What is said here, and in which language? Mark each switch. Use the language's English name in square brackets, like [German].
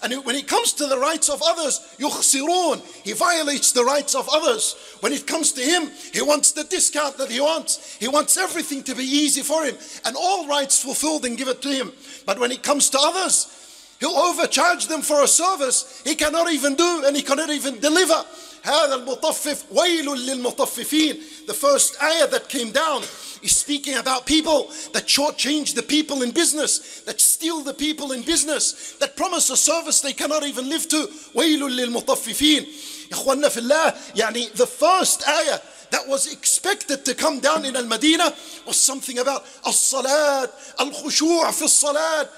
[English] And when it comes to the rights of others, yukhsirun, he violates the rights of others. When it comes to him, he wants the discount that he wants. He wants everything to be easy for him and all rights fulfilled and give it to him. But when it comes to others, he'll overcharge them for a service he cannot even do and he cannot even deliver. [Arabic] هذا المطفف ويل للمطففين. [English] The first ayah that came down is speaking about people that shortchange the people in business, that steal the people in business, that promise a service they cannot even live to. [Arabic] ويل للمطففين. إخوانا في الله, يعني [English] the first ayah that was expected to come down in Al-Madinah was something about [Arabic] الصلاة, الخشوع في الصلاة.